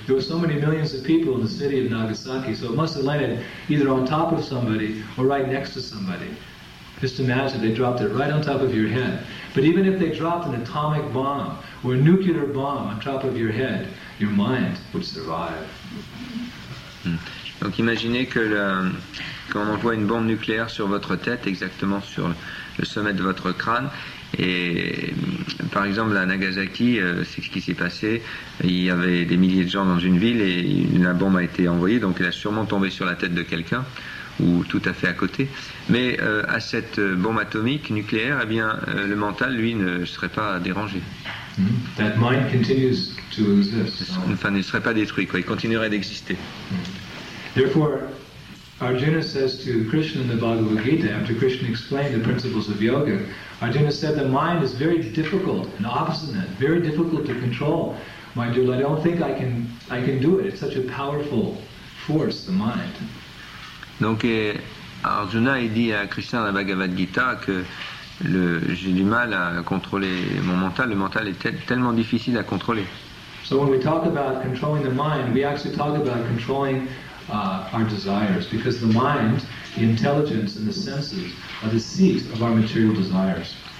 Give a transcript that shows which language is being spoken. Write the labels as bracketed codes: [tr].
[en] There were so many millions of people in the city of Nagasaki, so it must have landed either on top of somebody or right next to somebody. Just imagine, they dropped it right on top of your head. But even if they dropped an atomic bomb or a nuclear bomb on top of your head, your mind would survive. [fr] Donc imaginez que quand on envoie une bombe nucléaire sur votre tête, exactement sur le sommet de votre crâne, et par exemple à Nagasaki, c'est ce qui s'est passé, il y avait des milliers de gens dans une ville et la bombe a été envoyée, donc elle a sûrement tombé sur la tête de quelqu'un ou tout à fait à côté, mais à cette bombe atomique nucléaire, eh bien le mental, lui, ne serait pas dérangé. [en] Mm-hmm. That mind continues to exist. [fr] Enfin, il ne serait pas détruit, quoi. Il continuerait d'exister. Mm-hmm. [en] Therefore, Arjuna says to Krishna in the Bhagavad Gita, after Krishna explained the principles of yoga, Arjuna said, the mind is very difficult and obstinate, very difficult to control. My dear, I don't think I can do it. It's such a powerful force, the mind. [fr] Donc Arjuna il dit à Krishna dans la Bhagavad Gita que j'ai du mal à contrôler mon mental. Le mental est tellement difficile à contrôler. [en] So when we talk about controlling the mind, we actually talk about controlling our desires, because the mind, the intelligence and the senses are the seat of our material desires.